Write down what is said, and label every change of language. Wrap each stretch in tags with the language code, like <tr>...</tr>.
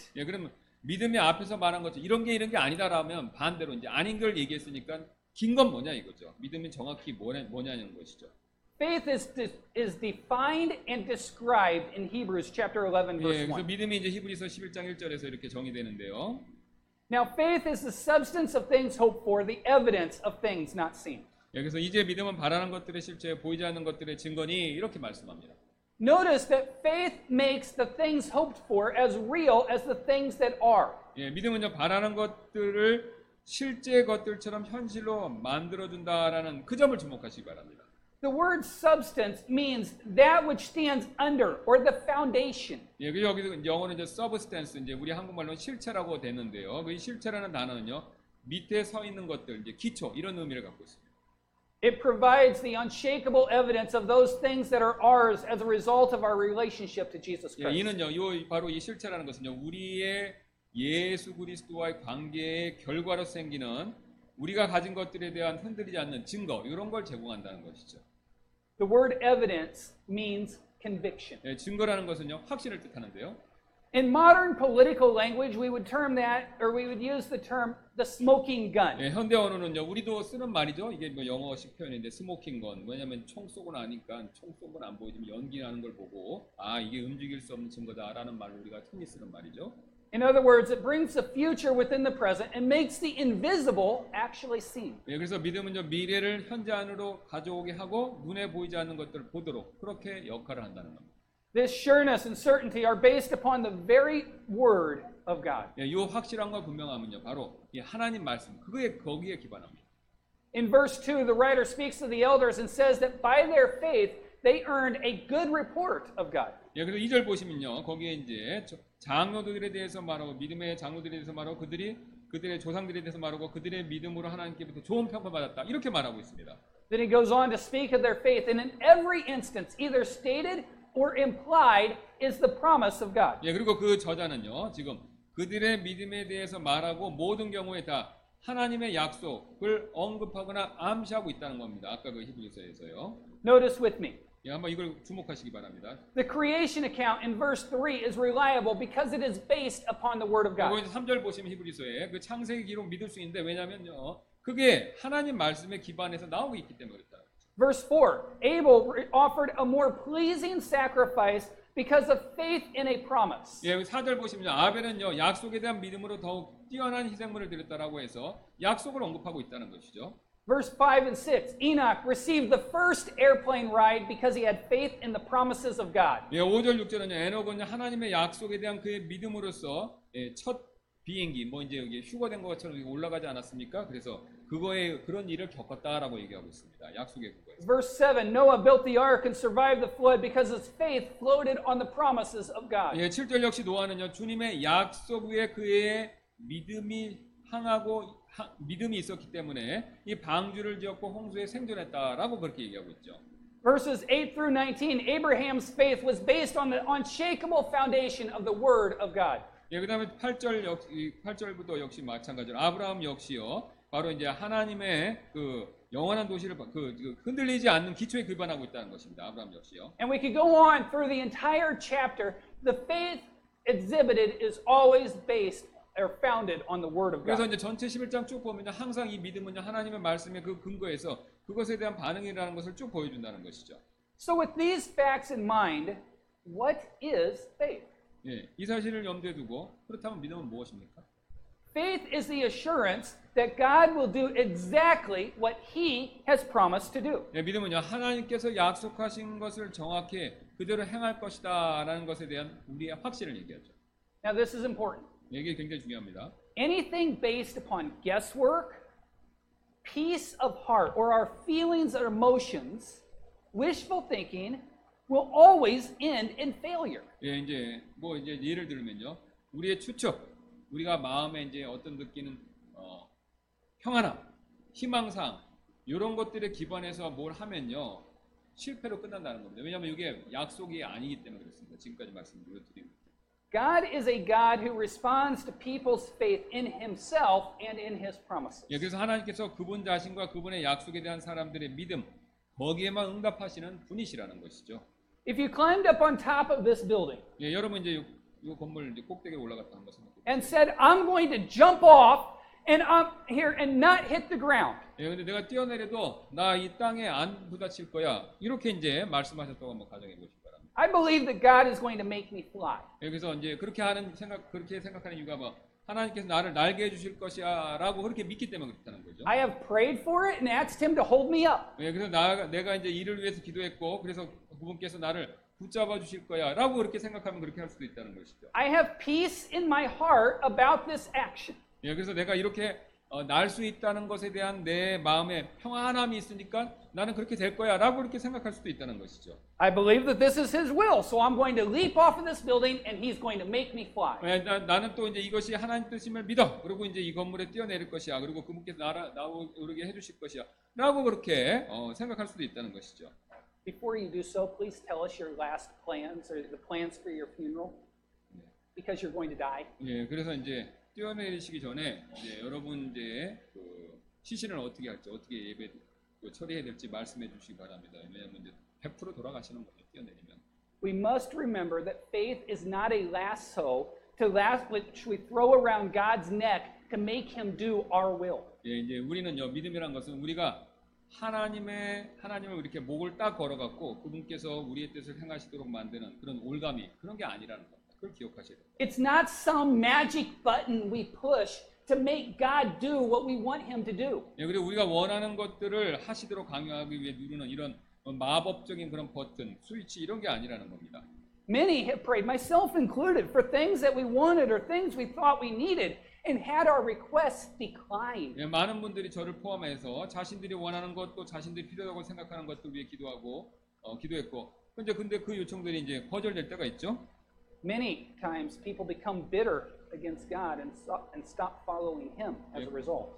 <ko>예, 네, 그러면 믿음이 앞에서 말한 것처럼 이런 게 아니다라면 반대로 이제 아닌 걸 얘기했으니까 긴 건 뭐냐 이거죠. 믿음이 정확히 뭐냐는 것이죠.</ko> <en>Faith is defined and described in Hebrews chapter 11 verse 1.</en> <ko>예, 그래서 믿음이 이제 히브리서 11장 1절에서 이렇게 정의되는데요.</ko> <en>Now faith is the substance of things hoped for, the evidence of things not seen.</en> <ko>예, 그래서 이제 믿음은 바라는 것들의 실체, 보이지 않는 것들의 증거니 이렇게 말씀합니다.</ko> <en>Notice that faith makes the things hoped for as real as the things that are.</en> <ko>예, 믿음은요 바라는 것들을 실제 것들처럼 현실로 만들어 준다라는 그 점을 주목하시기 바랍니다.</ko> <en>The word substance means that which stands under or the foundation.</en> <ko>예, 여기 영어는 이제 substance 이제 우리 한국말로 실체라고 되는데요. 그 실체라는 단어는요. 밑에 서 있는 것들 이제 기초 이런 의미를 갖고 있습니다.</ko> <en>It provides the unshakable evidence of those things that are ours as a result of our relationship to Jesus Christ.</en> <ko>예, 이는요. 요 바로 이 실체라는 것은요. 우리의 예수 그리스도와의 관계의 결과로 생기는 우리가 가진 것들에 대한 흔들리지 않는 증거 이런 걸 제공한다는 것이죠.</ko> <en>The word evidence means conviction.</en> <ko>예, 증거라는 것은요 확신을 뜻하는데요.</ko> <en>In modern political language, we would term that, or we would use the term the smoking gun.</en> <ko>예, 현대 언어는요 우리도 쓰는 말이죠. 이게 뭐 영어식 표현인데</ko> <en>smoking gun.</en> <ko>왜냐하면 총 쏘고 나니까 총 쏜 건 안 보이지만 연기 나는 걸 보고 아 이게 움직일 수 없는 증거다라는 말을 우리가 흔히 쓰는 말이죠.</ko> <en>In other words, it brings the future within the present and makes the invisible actually seen.</en> <ko>예, 그래서 믿음은 좀 미래를 현재 안으로 가져오게 하고 눈에 보이지 않는 것들을 보도록 그렇게 역할을 한다는 겁니다.</ko> <en>This sureness and certainty are based upon the very word of God.</en> <ko>예, 이 확실함과 분명함은요, 바로 이 하나님 말씀 거기에 기반합니다.</ko> <en>In verse 2, the writer speaks to the elders and says that by their faith They earned a good report of God.</en> <ko>예, 그래서 2절 보시면요. 거기에 이제 장로들에 대해서 말하고 믿음의 장로들에 대해서 말하고 그들이 그들의 조상들에 대해서 말하고 그들의 믿음으로 하나님께부터 좋은 평판 받았다. 이렇게 말하고 있습니다.</ko> <en>Then he goes on to speak of their faith and in every instance either stated or implied is the promise of God.</en> <ko>예, 그리고 그 저자는요. 지금 그들의 믿음에 대해서 말하고 모든 경우에 다 하나님의 약속을 언급하거나 암시하고 있다는 겁니다. 아까 그 히브리서에서요.</ko> <en>Notice with me.</en> <ko>예, 한번 이걸 주목하시기 바랍니다.</ko> <en>The creation account in verse 3 is reliable because it is based upon the word of God.</en> <ko>여러분 3절 보시면 히브리서에 그 창세기 기록 믿을 수 있는데 왜냐면요. 그게 하나님 말씀에 기반해서 나오고 있기 때문에 그렇다.</ko> <en>Verse 4. Abel offered a more pleasing sacrifice because of faith in a promise.</en> <ko>예, 4절 보시면 아벨은요. 약속에 대한 믿음으로 더욱 뛰어난 희생물을 드렸다라고 해서 약속을 언급하고 있다는 것이죠.</ko> <en>Verse 5 and 6. Enoch received the first airplane ride because he had faith in the promises of God.</en> <ko>예, 5절 6절은요. 에녹은 하나님의 약속에 대한 그의 믿음으로써 예, 첫 비행기 뭐 이제 여기 휴거된 것처럼 올라가지 않았습니까? 그래서 그거에 그런 일을 겪었다라고 얘기하고 있습니다. 약속의 그거에.</ko> <en>Verse 7. Noah built the ark and survived the flood because his faith floated on the promises of God.</en> <ko>예, 7절 역시 노아는요. 주님의 약속 위에 그의 믿음이 항하고 믿음이 있었기 때문에 이 방주를 지었고 홍수에 생존했다라고 그렇게 얘기하고 있죠.</ko> <en>Verses 8 through 19. Abraham's faith was based on the unshakable foundation of the word of God.</en> <ko>예, 그다음에 8절 역시 8절부터 역시 마찬가지로 아브라함 역시요. 바로 이제 하나님의 그 영원한 도시를 그 흔들리지 않는 기초에 기반하고 있다는 것입니다. 아브라함 역시요.</ko> <en>And we could go on through the entire chapter. The faith exhibited is always based or founded on the word of God.</en> <ko>그래서 이제 전체 11장 쭉 보면 항상 이 믿음은 하나님의 말씀에 그 근거해서 그것에 대한 반응이라는 것을 쭉 보여 준다는 것이죠.</ko> <en>So with these facts in mind, what is faith?</en> <ko>예, 이 사실을 염두에 두고 그렇다면 믿음은 무엇입니까?</ko> <en>Faith is the assurance that God will do exactly what he has promised to do.</en> <ko>예, 믿음은요. 하나님께서 약속하신 것을 정확히 그대로 행할 것이다라는 것에 대한 우리의 확신을 얘기하죠.</ko> <en>Now this is important.</en> <ko>이게 굉장히 중요합니다.</ko> <en>Anything based upon guesswork, peace of heart or our feelings or emotions, wishful thinking will always end in failure.</en> <ko>예, 이제 뭐 이제 예를 들면요. 우리의 추측, 우리가 마음에 이제 어떤 느끼는 평안함, 희망상 이런 것들에 기반해서 뭘 하면요. 실패로 끝난다는 겁니다. 왜냐면 이게 약속이 아니기 때문에 그렇습니다. 지금까지 말씀드렸듯이</ko> <en>God is a God who responds to people's faith in himself and in his promises.</en> <ko>예, 그래서 하나님께서 그분 자신과 그분의 약속에 대한 사람들의 믿음 거기에만 응답하시는 분이시라는 것이죠.</ko> <en>If you climbed up on top of this building.</en> <ko>예, 여러분 이제 이 건물 이제 꼭대기에 올라갔다 한번 생각해.</ko> <en>And said I'm going to jump off and I'm here and not hit the ground.</en> <ko>예, 근데 내가 뛰어내려도 나 이 땅에 안 부딪힐 거야. 이렇게 이제 말씀하셨다고 한번 가정해 보시죠.</ko> <en>I believe that God is going to make me fly.</en> <ko>여기서 이제 그렇게 하는 생각 그렇게 생각하는 이유가 뭐 하나님께서 나를 날게 해 주실 것이야라고 그렇게 믿기 때문에 그렇다는 거죠.</ko> <en>I have prayed for it and asked him to hold me up.</en> <ko>예, 그래서 내가 이제 이를 위해서 기도했고 그래서 그분께서 나를 붙잡아 주실 거야라고 그렇게 생각하면 그렇게 할 수도 있다는 것이죠.</ko> <en>I have peace in my heart about this action.</en> <ko>예, 그래서 내가 이렇게 날 수 있다는 것에 대한 내 마음에 평안함이 있으니까 나는 그렇게 될 거야 라고 이렇게 생각할 수도 있다는 것이죠.</ko> <en>I believe that this is his will, so I'm going to leap off of this building and he's going to make me fly.</en> <ko>예, 나는 또 이제 이것이 하나님 뜻임을 믿어. 그리고 이제 이 건물에 뛰어내릴 것이야. 그리고 그분께서 나오게 해주실 것이야. 라고 그렇게 생각할 수도 있다는 것이죠.</ko> <en>Before you do so, please tell us your last plans or the plans for your funeral because you're going to die.</en> <ko>예, 그래서 이제 뛰어내리시기 전에 이제 여러분들 그 시신을 어떻게 할지 어떻게 예배 처리해야 될지 말씀해 주시기 바랍니다. 왜냐하면 이제 100% 돌아가시는 거예요. 뛰어내리면.</ko> <en>We must remember that faith is not a lasso to last which we throw around God's neck to make him do our will.</en> <ko>예, 이제 우리는요 믿음이란 것은 우리가 하나님을 이렇게 목을 딱 걸어갖고 그분께서 우리의 뜻을 행하시도록 만드는 그런 올가미 그런 게 아니라는 거.</ko> <en>It's not some magic button we push to make God do what we want him to do.</en> <ko>예, 그리고 우리가 원하는 것들을 하시도록 강요하기 위해 누르는 이런 마법적인 그런 버튼, 스위치 이런 게 아니라는 겁니다.</ko> <en>Many have prayed, myself included, for things that we wanted or things we thought we needed and had our requests declined.</en> <ko>예, 많은 분들이 저를 포함해서 자신들이 원하는 것도 자신들이 필요하다고 생각하는 것도 위해 기도하고 기도했고 근데 그 요청들이 이제 거절될 때가 있죠.</ko> <en>Many times people become bitter against God and stop following Him as a result.</en>